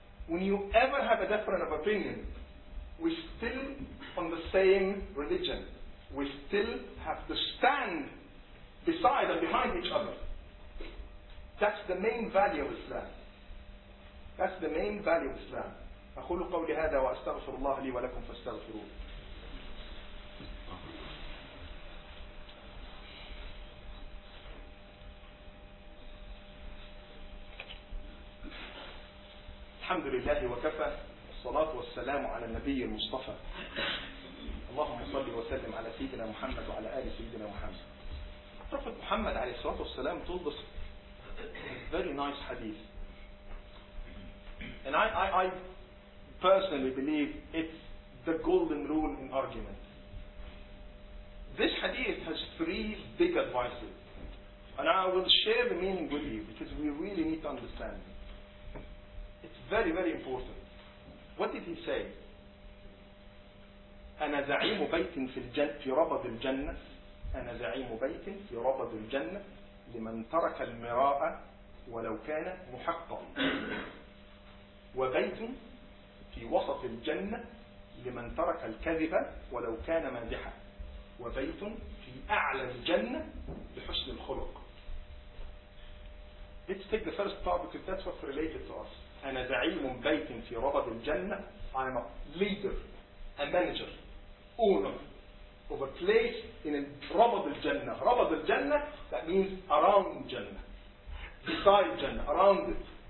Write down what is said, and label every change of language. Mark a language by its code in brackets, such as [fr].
[en] When you ever have a difference of opinion, we're still on the same religion. We still have to stand beside and behind each other. That's the main value of Islam. That's the main value of Islam. [ar] أقول قولي هذا وأستغفر الله لي ولكم فاستغفروه. الحمد لله وكفى والصلاة والسلام على النبي المصطفى. اللهم صل وسلم على سيدنا محمد وعلى آل سيدنا محمد. [en] Prophet Muhammad [ar] عليه الصلاة والسلام [en] told us a very nice hadith. And I personally believe it's the golden rule in argument. This hadith has three big advices. And I will share the meaning with you because we really need to understand it. It's very, very important. What did he say? [ar] أنا زعيم بيت في ربض الجنة. أنا زعيم بيت في ربض الجنة لمن ترك المراء ولو كان محقا. وبيت في وسط الجنة لمن ترك الكذب ولو كان مادحا. وبيت في أعلى الجنة بحسن الخلق. [en] Let's take the first part because that's what's related to us. [ar] أنا زعيم بيت في ربض الجنة. [en] I'm a leader, a manager, owner of a place in [ar] ربض الجنة. ربض الجنة, [en] that means around الجنة, beside الجنة, around it.